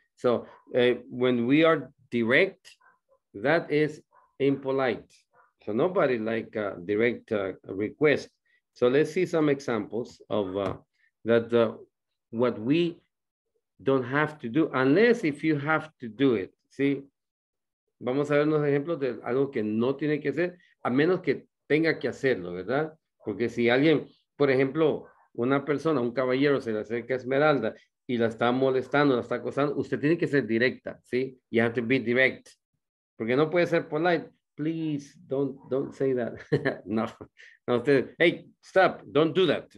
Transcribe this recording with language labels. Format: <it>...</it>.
<en>So when we are direct, that is impolite. So nobody like a direct request. So let's see some examples of what we don't have to do, unless if you have to do it. See, ¿sí?</en> <es>Vamos a ver unos ejemplos de algo que no tiene que hacer, a menos que tenga que hacerlo, ¿verdad? Porque si alguien, por ejemplo, una persona, un caballero se le acerca a Esmeralda y la está molestando, la está acosando, usted tiene que ser directa, ¿sí?</es> <en>You have to be direct.</en> <es>Porque no puede ser polite.</es> <en>Please, don't say that. No. No, usted, hey, stop, don't do that.</en>